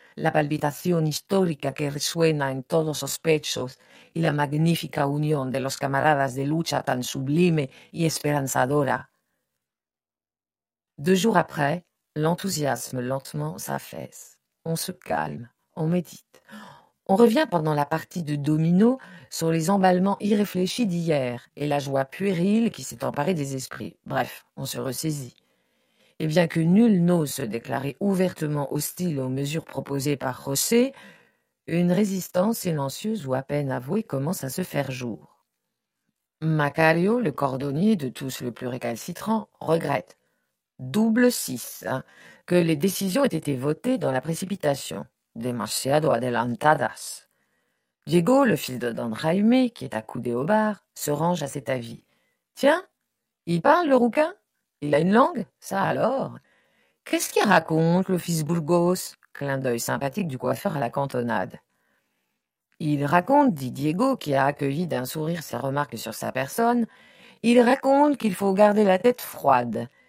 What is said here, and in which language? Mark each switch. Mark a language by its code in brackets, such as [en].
[es] La palpitación histórica que resuena en todos los pechos y la magnífica unión de los camaradas de lucha tan sublime y esperanzadora. [fr] 2 jours après, l'enthousiasme lentement s'affaisse. On se calme, on médite. On revient pendant la partie de domino sur les emballements irréfléchis d'hier et la joie puérile qui s'est emparée des esprits. Bref, on se ressaisit. Et bien que nul n'ose se déclarer ouvertement hostile aux mesures proposées par José, une résistance silencieuse ou à peine avouée commence à se faire jour. Macario, le cordonnier de tous le plus récalcitrant, regrette, double six, hein, que les décisions aient été votées dans la précipitation. [es] Demasiado adelantadas. [fr] Diego, le fils de Don Jaime, qui est accoudé au bar, se range à cet avis. Tiens, il parle le rouquin? Il a une langue, ça alors. Qu'est-ce qu'il raconte, le fils Burgos? Clin d'œil sympathique du coiffeur à la cantonade. Il raconte, dit Diego, qui a accueilli d'un sourire ses remarques sur sa personne, il raconte qu'il faut garder la tête froide.